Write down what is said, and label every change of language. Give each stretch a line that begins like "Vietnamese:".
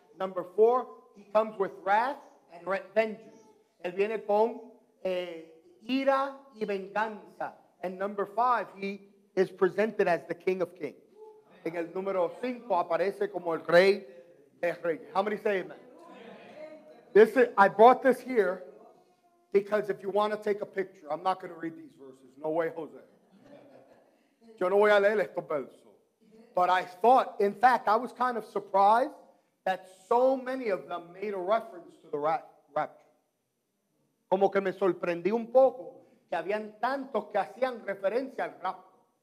English: Number four, he comes with wrath and vengeance.
Spanish: Él viene con ira y venganza.
English: And number five, he is presented as the King of Kings.
Spanish: En el número cinco, aparece como el rey de reyes.
English: How many say amen? This is, I brought this here because if you want to take a picture, I'm not going to read these verses. No way, Jose.
Spanish: Yo no voy a leer estos versos.
English: But I thought, in fact, I was kind of surprised that so many of them made a reference to the rapture.
Spanish: Como que me sorprendí un poco que habían tantos que hacían referencia al rapto.